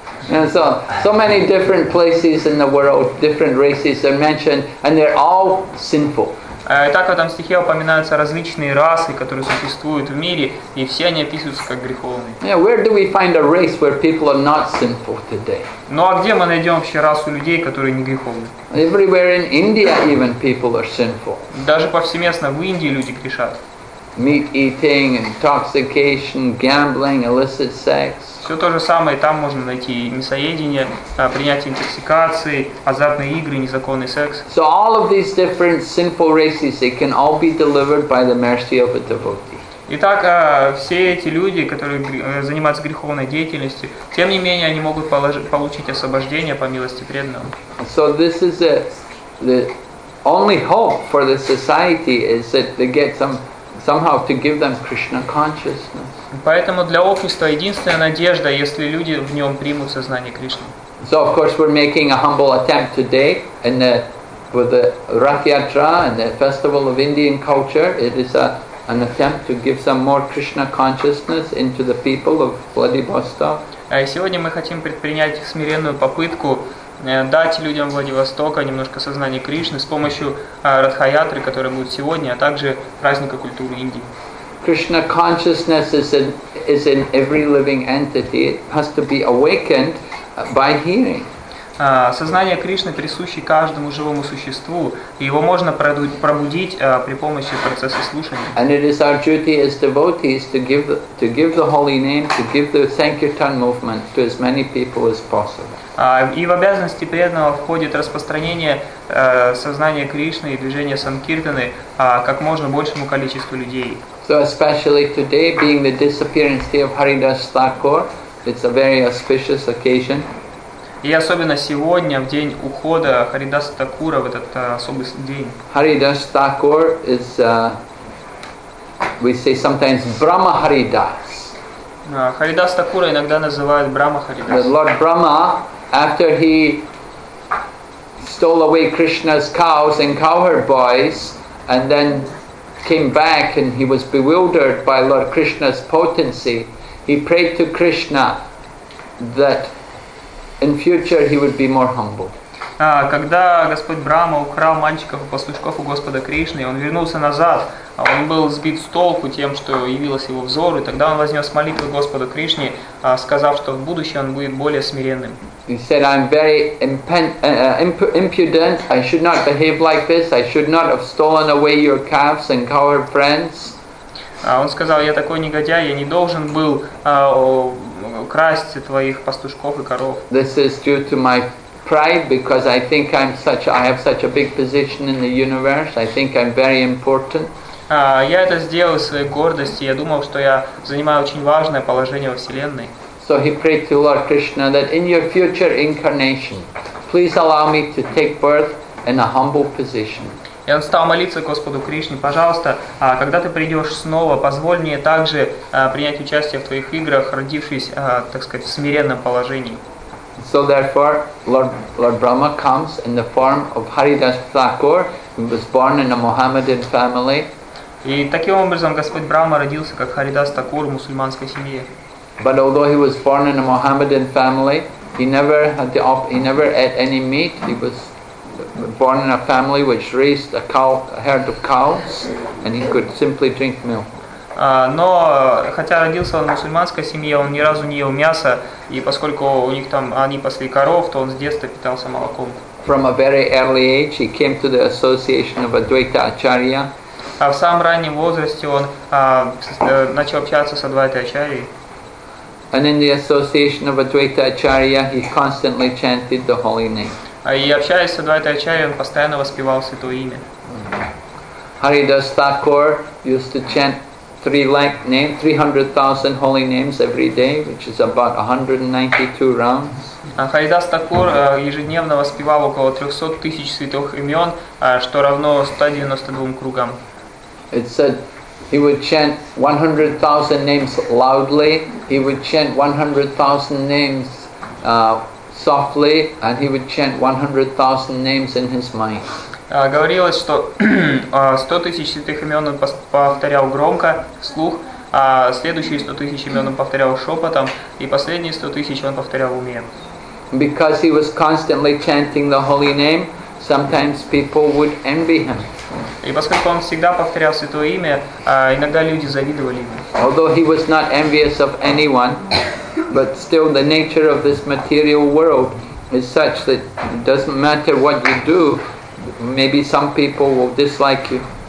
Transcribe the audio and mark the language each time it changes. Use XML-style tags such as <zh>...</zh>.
<en>And so many different places in the world, different races are mentioned, and they're all sinful.</en> <ru>Так в этом стихе упоминаются различные расы, которые существуют в мире, и все они описываются как греховные.</ru> <en>Yeah, where do we find a race where people are not sinful today?</en> <ru>Ну а где мы найдем вообще расу людей, которые не греховны?</ru> <en>Everywhere in India even people are sinful.</en> <ru>Даже повсеместно в Индии люди грешат.</ru> <en>Meat eating, intoxication, gambling, illicit sex.</en> <ru>Все то же самое, там можно найти мясоедение, принятие интоксикации, азартные игры, незаконный секс.</ru> <en>So all of these different sinful races, they can all be delivered by the mercy of a devotee.</en> <ru>Итак, все эти люди, которые занимаются греховной деятельностью, тем не менее, они могут получить освобождение по милости преданного.</ru> <en>So this is the only hope for the society is that they get somehow to give them Krishna consciousness.</en> <ru>Поэтому для общества единственная надежда, если люди в нем примут сознание Кришны.</ru> <en>So of course we're making a humble attempt today in the with the Rath Yatra and the festival of Indian culture. It is an attempt to give some more Krishna consciousness into the people of Vladivostok.</en> <ru>Сегодня мы хотим предпринять смиренную попытку дать людям Владивостока немножко сознания Кришны с помощью Радха-ятры, которая будет сегодня, а также праздника культуры Индии.</ru> <en>Krishna consciousness is in every living entity. It has to be awakened by hearing.</en> <ru>Сознание Кришны присуще каждому живому существу, и его можно пробудить при помощи процесса слушания.</ru> <en>And it is our duty as devotees to give the holy name, to give the Sankirtan movement to as many people as possible.</en> <ru>И в обязанности преданного входит распространение сознания Кришны и движения Санкиртаны как можно большему количеству людей.</ru> <en>So especially today, being the disappearance day of Haridas Thakur, it's a very auspicious occasion.</en> <ru>И особенно сегодня, в день ухода Харидас Такура, в этот особый день.</ru> <en>Харидас Такур is, we say sometimes, Брама Харидас.</en> <ru>Харидас Такура иногда называют Брама Харидас.</ru> <en>The Lord Brahma, after he stole away Krishna's cows and cowherd boys, and then came back and he was bewildered by Lord Krishna's potency, he prayed to Krishna that in future he would be more humble.</en> <ru>Когда Господь Брама украл мальчиков и пастушков у Господа Кришны, он вернулся назад, он был сбит с толку тем, что явилось его взору, и тогда он вознес молитву Господу Кришне, сказав, что в будущем он будет более смиренным.</ru> <en>He said, I'm very impudent, I should not behave like this, I should not have stolen away your calves and cowherd friends.</en> <ru>Он сказал, я такой негодяй, я не должен был красть твоих пастушков и коров.</ru> <en>This is due to my pride because I think I have such a big position in the universe. I think I'm very important.</en> <ru>Я это сделал из своей гордости. Я думал, что я занимаю очень важное положение во Вселенной.</ru> <en>So he prayed to Lord Krishna that in your future incarnation, please allow me to take birth in a humble position.</en> <ru>И он стал молиться Господу Кришне, пожалуйста, когда ты придешь снова, позволь мне также принять участие в твоих играх, родившись, так сказать, в смиренном положении.</ru> <en>So therefore, Lord Brahma comes in the form of Haridas Thakur, who was born in a Mohammedan family.</en> <ru>И таким образом Господь Брама родился как Харидас Такур в мусульманской семье.</ru> <en>But although he was born in a Mohammedan family, he never ate any meat. He was born in a family which raised a herd of cows, and he could simply drink milk.</en> <ru>Но хотя родился он в мусульманской семье, он ни разу не ел мяса, и поскольку у них там они пасли коров, то он с детства питался молоком.</ru> <en>From a very early age, he came to the association of Advaita Acharya.</en> <ru>В самом раннем возрасте он начал общаться с Адвайта Ачарьей.</ru> <en>And in the association of Advaita Acharya, he constantly chanted the holy name.</en> <ru>И общаясь с Адвайтой Ачарьей, он постоянно воспевал святое имя.</ru> <en>Haridas Thakur used to chant 300,000 holy names every day, which is about 192 rounds.</en> <ru>Haridas Thakur ежедневно воспевал около 300,000 святых имен, что равно 192 кругам.</ru> <en>It said he would chant 100,000 names loudly. He would chant 100,000 names softly, and he would chant 100,000 names in his mind.</en> <ru>Говорилось, что 100,000 святых имен он повторял громко, вслух, а следующие 100,000 имен он повторял шепотом, и последние 100,000 он повторял в уме.</ru> <en>Because he was constantly chanting the holy name, sometimes people would envy him.</en> <ru>И поскольку он всегда повторял святое имя, иногда люди завидовали ему.</ru> <en>Although he was not envious of anyone, but still the nature of this material world is such that it doesn't matter what you do, maybe some people will dislike you.</en>